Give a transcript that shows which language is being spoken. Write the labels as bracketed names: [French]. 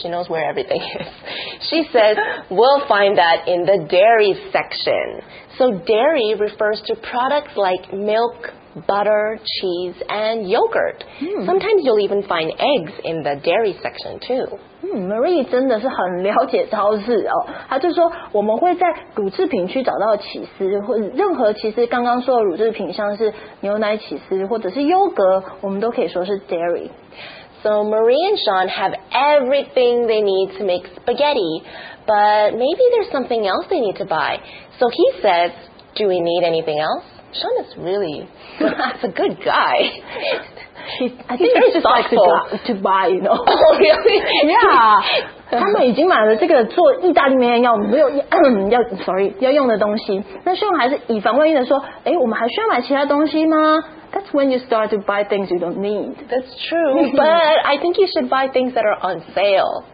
[English] She knows where everything is. She says we'll find that in the dairy section. So dairy refers to products like milk, butter, cheese, and yogurt. Sometimes you'll even find eggs in the dairy section too. [Chinese] Marie 真的是很了解超市哦。她就说我们会在乳制品区找到起司，或任何其实刚刚说的乳制品，像是牛奶起司或者是优格，我们都可以说是 dairy. [English] So Marie and Sean have everything they need to make spaghetti, but maybe there's something else they need to buy. So he says, do we need anything else? Sean is really, that's a good guy. He's very thoughtful. He just likes to buy, you know. Oh, really? Yeah. [Chinese] 他们已经买了这个做意大利面要没有要 sorry, 要用的东西。那 Sean 还是以防万一的说，诶，我们还需要买其他东西吗？ [English] That's when you start to buy things you don't need. That's true, but I think you should buy things that are on sale.